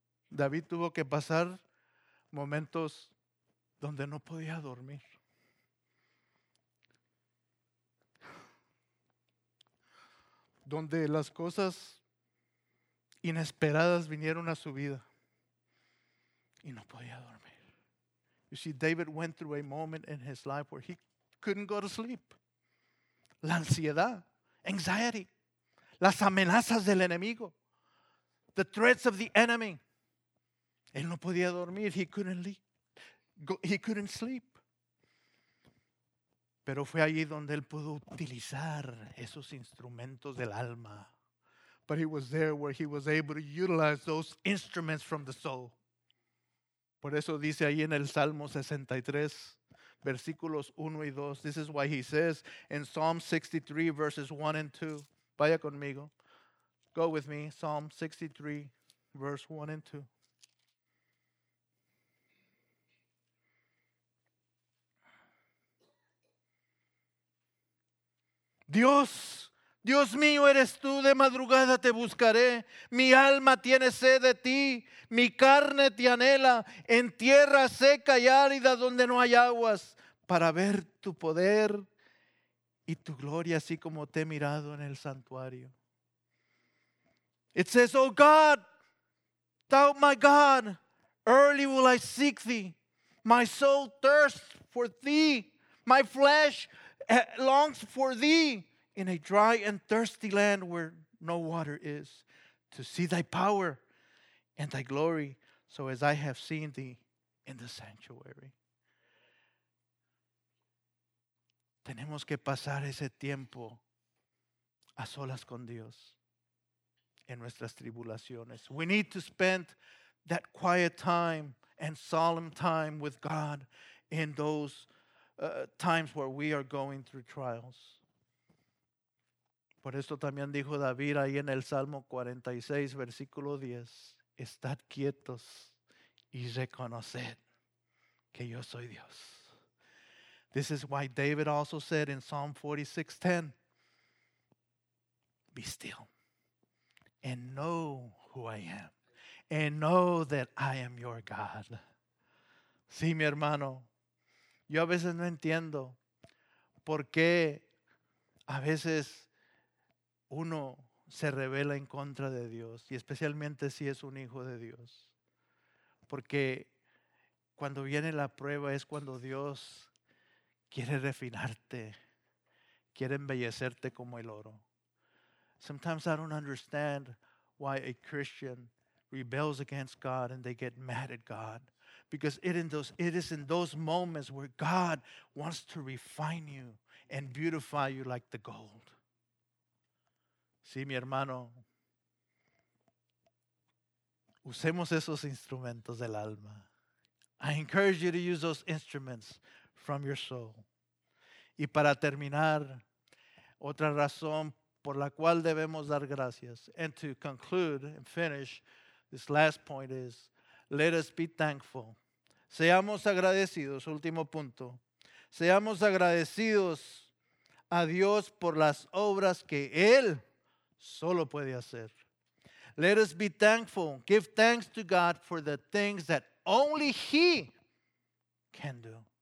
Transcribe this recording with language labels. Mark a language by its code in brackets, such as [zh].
[es] David tuvo que pasar momentos donde no podía dormir. Donde las cosas inesperadas vinieron a su vida y no podía dormir. [en] You see, David went through a moment in his life where he couldn't go to sleep. [es] La ansiedad, [en] anxiety, [es] las amenazas del enemigo, [en] the threats of the enemy. [es] Él no podía dormir, [en] he couldn't sleep. [es] Pero fue allí donde él pudo utilizar esos instrumentos del alma. [en] But he was there where he was able to utilize those instruments from the soul. [es] Por eso dice ahí en el Salmo 63, versículos 1 y 2. [en] This is why he says in Psalm 63, verses 1 and 2. [es] Vaya conmigo. [en] Go with me. Psalm 63, verse 1 and 2. [es] Dios, Dios mío, eres tú, de madrugada te buscaré. Mi alma tiene sed de ti, mi carne te anhela, en tierra seca y árida donde no hay aguas, para ver tu poder y tu gloria, así como te he mirado en el santuario. [en] It says, oh God, thou my God, early will I seek thee. My soul thirsts for thee. My flesh longs for thee in a dry and thirsty land where no water is, to see thy power and thy glory, so as I have seen thee in the sanctuary. [es] Tenemos que pasar ese tiempo a solas con Dios en nuestras tribulaciones. [en] We need to spend that quiet time and solemn time with God in those times where we are going through trials. [es] Por esto también dijo David ahí en el Salmo 46, versículo 10, estad quietos y reconoced que yo soy Dios. [en] This is why David also said in Psalm 46, 10, be still and know who I am and know that I am your God. [es] Sí, mi hermano, yo a veces no entiendo por qué a veces uno se rebela en contra de Dios, y especialmente si es un hijo de Dios. Porque cuando viene la prueba es cuando Dios quiere refinarte, quiere embellecerte como el oro. [en] Sometimes I don't understand why a Christian rebels against God and they get mad at God. Because it is in those moments where God wants to refine you and beautify you like the gold. [es] Sí, mi hermano, usemos esos instrumentos del alma. [en] I encourage you to use those instruments from your soul. [es] Y para terminar, otra razón por la cual debemos dar gracias. [en] And to conclude and finish, this last point is, let us be thankful. [es] Seamos agradecidos, último punto. Seamos agradecidos a Dios por las obras que Él solo puede hacer. [en] Let us be thankful. Give thanks to God for the things that only He can do.